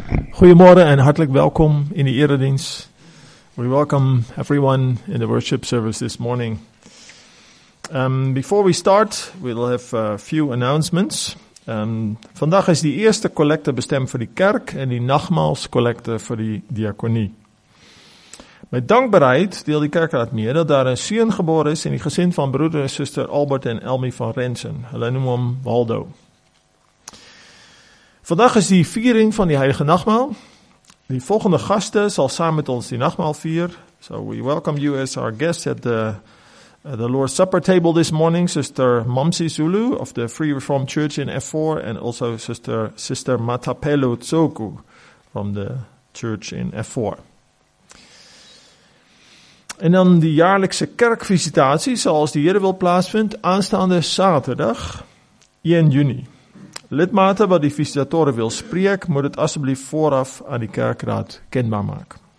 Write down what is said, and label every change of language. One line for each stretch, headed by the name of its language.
Dutch: Goedemorgen en hartelijk welkom in de eredienst.
English: We welcome everyone in the worship service this morning. Before we start, we'll have a few announcements.
Dutch: Vandaag is die eerste collecte bestemd voor de kerk en die nachtmaals collecte voor de diaconie. Met dankbaarheid deelt de kerkraad mee dat daar een zoon geboren is in het gezin van broeder en zuster Albert en Elmi van Rensen.
Afrikaans: Hulle noem hem Waldo.
Dutch: Vandaag is die viering van die heilige nachtmaal. Die volgende gasten zal samen met ons die nachtmaal vieren.
English: So we welcome you as our guests at the Lord's Supper table this morning, Sister Mamsi Zulu of the Free Reformed Church in F4 and also Sister Matapelo Tsoku from the church in F4.
Dutch: En dan die jaarlijkse kerkvisitatie zoals die Heere wil plaatsvinden aanstaande zaterdag 1 juni. Lidmaten wat die visitatoren wil spreken, moet het alsjeblieft vooraf aan die kerkraad kenbaar maken.